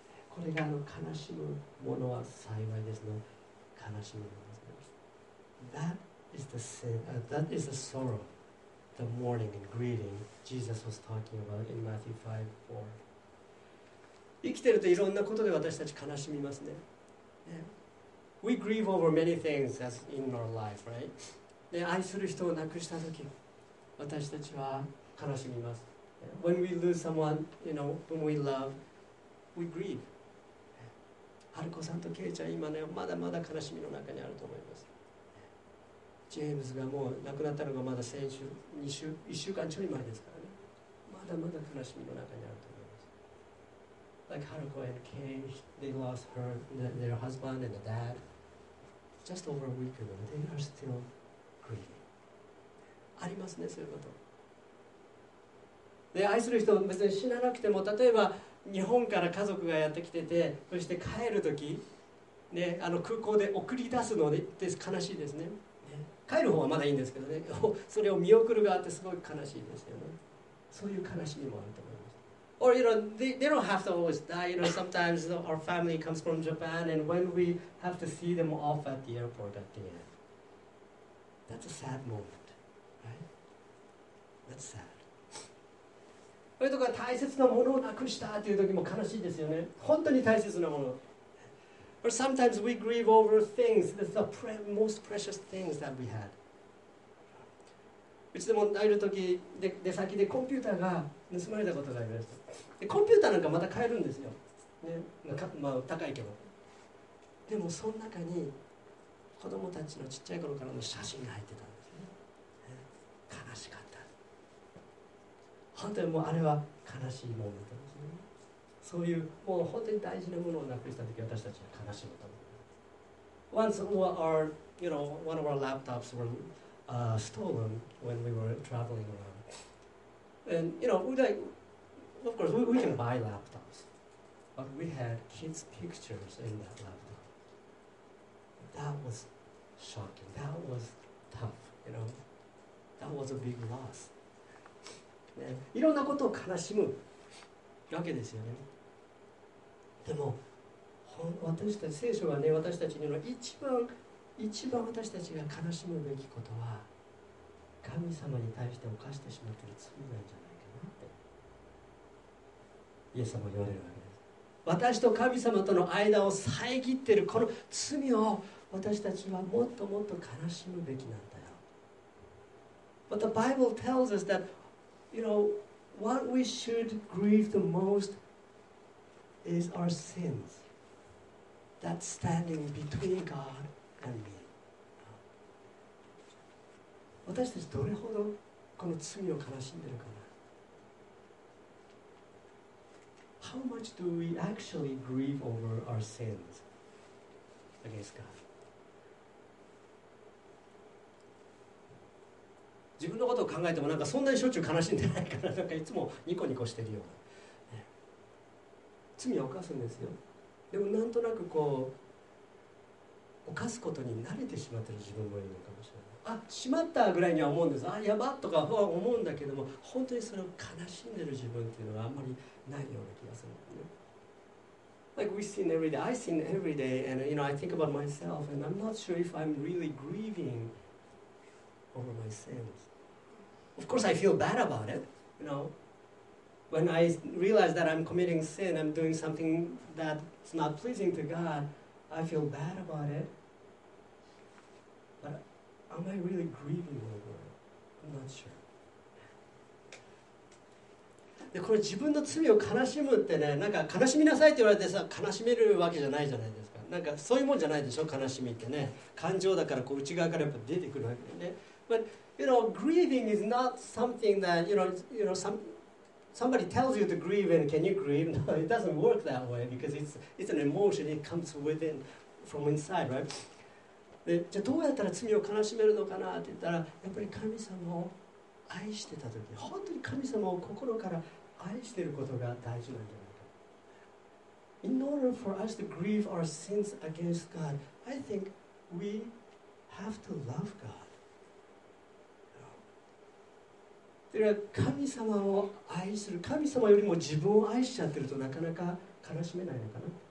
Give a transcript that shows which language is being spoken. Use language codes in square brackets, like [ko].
[ja] これがあの悲しむものは幸いですの悲しむものですね。 [en] That is the sin, that is the sorrow, the mourning and grieving Jesus was talking about in Matthew 5:4. [ja] 生きてるといろんなことで私たち悲しみますね。 [en] Yeah. We grieve over many things that's in our life, right? [ja] で、愛する人を亡くしたとき、私たちは悲しみます。 [en] Yeah. When we lose someone, you know, whom we love, we grieve. [ja] ハルコさんとケイちゃん、今ね、まだまだ悲しみの中にあると思います。ジェームズがもう亡くなったのがまだ先週、1週間ちょい前ですからね。まだまだ悲しみの中にあると思います。 [en] Like Haruko and Kay, they lost her, their husband and the dad just over a week ago. They are still grieving. [ja] ありますね、そういうこと。で、愛する人は別に死ななくても、例えば日本から家族がやってきてて、そして帰るとき、ね、あの空港で送り出すのって悲しいです ね。帰る方はまだいいんですけどね、それを見送る側ってすごい悲しいですよね。そういう悲しみもあると思います。 [en] Or, you know, they don't have to always die. You know, sometimes our family comes from Japan and when we have to see them off at the airport at the end. That's a sad moment, right? That's sad. [ja] それとか大切なものをなくしたっていう時も悲しいですよね。本当に大切なもの。 [en] Or sometimes we grieve over things. That's the most precious things that we had. [ja] うちでもある時出先でコンピューターが盗まれたことがあります。で、コンピューターなんかまた買えるんですよ。ね、まあ高いけど。でもその中に子供たちのちっちゃい頃からの写真が入ってたんですね。悲しかった。本当にもうあれは悲しいものだったんですね。そういうもう本当に大事なものをなくした時、私たちは悲しむと思う。 [en] Once our, you know, one of our laptops were stolen when we were traveling around. And, you know, of course, we can buy laptops. But we had kids' pictures in that laptop. That was shocking. That was tough, you know. That was a big loss. [ja] ね、いろんなことを悲しむわけですよね。でも私たち、聖書はね、私たちの一番私たちが悲しむべきことは、神様に対して犯してしまっている罪なんじゃないかなってイエス様は言われるわけです。私と神様との間を遮っているこの罪を、私たちはもっともっと悲しむべきなんだよ。 [en] But the Bible tells us thatYou know, what we should grieve the most is our sins that's standing between God and me. [ja] 私たちどれほどこの罪を悲しんでるかな。 [en] How much do we actually grieve over our sins against God? [ja] 自分のことを考えても、なんかそんなにしょっちゅう悲しんでないから、なんかいつもニコニコしてるような、ね、罪を犯すんですよ。でもなんとなくこう犯すことに慣れてしまってる自分もいるのかもしれない。あ、しまったぐらいには思うんです。あ、やばとかは思うんだけども、本当にそれを悲しんでる自分っていうのはあんまりないような気がするんですね。 [en] Like we sin every day. I sin every day and you know, I think about myself and I'm not sure if I'm really grievingover my sins. Of course, I feel bad about it, you know. When I realize that I'm committing sin, I'm doing something that's not pleasing to God, I feel bad about it. But am I really grieving over it? I'm not sure. [ja] で、これ自分の罪を悲しむってね、なんか悲しみなさいって言われてさ、悲しめるわけじゃないじゃないですか。なんかそういうもんじゃないでしょ、悲しみってね。感情だからこう内側からやっぱ出てくるわけでね。 [en] But you know, grieving is not something that somebody tells you to grieve and can you grieve? No, it doesn't work that way because it's an emotion. It comes within from inside, right? [ja] で、じゃあどうやったら罪を悲しめるのかなって言ったら、やっぱり神様を愛してた時、本当に神様を心から愛していることが大事なんじゃないか。 [en] In order for us to grieve our sins against God, I think we have to love God. [ja] 神様を愛する、神様よりも自分を愛しちゃってるとなかなか悲しめないのかな。